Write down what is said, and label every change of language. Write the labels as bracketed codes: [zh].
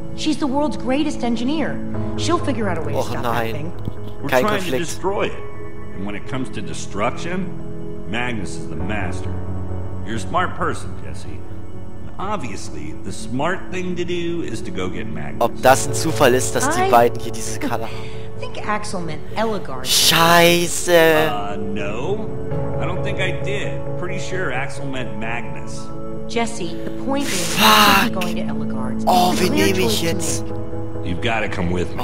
[en] She's the world's greatest engineer. She'll figure out a way to stop that thing. We're trying to destroy it. And when it comes to destruction, Magnus is the master. You're a smart person, Jesse. Obviously, the smart thing to do is to go get Magnus. [de] Ob das ein Zufall ist, dass die beiden hier diese Kalle haben. [en] I think Axel meant Elagard. [de] Scheiße! [en] No. I don't think I did. Pretty sure Axel meant Magnus. Jesse, the point is, fuck! Going to Elagard. [de] Oh, wie nehme ich jetzt? [en] You've gotta come with me.